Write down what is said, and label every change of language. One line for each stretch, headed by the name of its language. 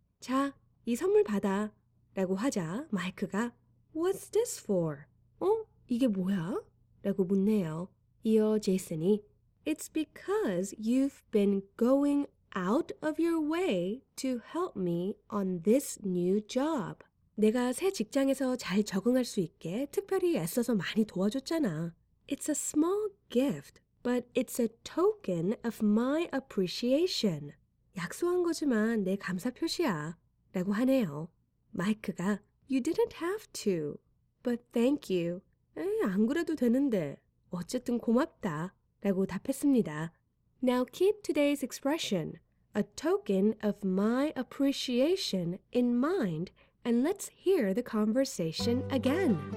Korean: 자, 이 선물 받아. 라고 하자 마이크가
English: What's this for?
Korean: 어? 이게 뭐야? 라고 묻네요. 이어 제이슨이
English: It's because you've been going out of your way to help me on this new job.
Korean: 내가 새 직장에서 잘 적응할 수 있게 특별히 애써서 많이 도와줬잖아.
English: It's a small gift, but it's a token of my appreciation.
Korean: 약속한 거지만 내 감사 표시야. 라고 하네요. 마이크가
English: You didn't have to, but thank you.
Korean: 에이, 안 그래도 되는데. 어쨌든 고맙다. 라고 답했습니다.
English: Now keep today's expression, a token of my appreciation, in mind, and let's hear the conversation again.